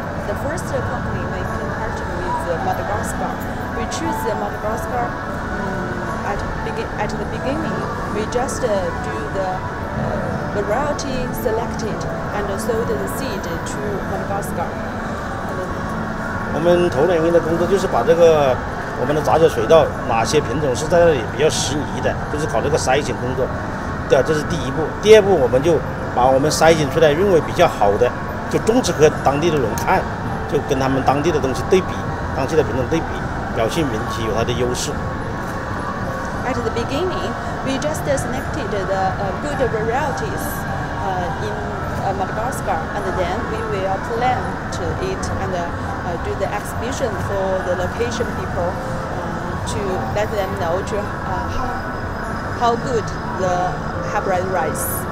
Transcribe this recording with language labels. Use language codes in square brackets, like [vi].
[en] The first company we partnered with Madagascar. We choose Madagascar at the beginning. We just do the variety selected and sold the seed to Madagascar. [zh] 我们头两年的工作就是把这个。我们的杂交水稻哪些品种是在那里比较适宜的，就是搞这个筛选工作，对，这是第一步。第二步，我们就把我们筛选出来认为比较好的，就种植给当地的人看，就跟他们当地的东西对比，当地的品种对比，表现明显有它的优势。 [en] At the beginning, we just selected the good varieties in Madagascar, and then we will plant it and. Do the exhibition for the location people to let them know to, how good the hybrid rice.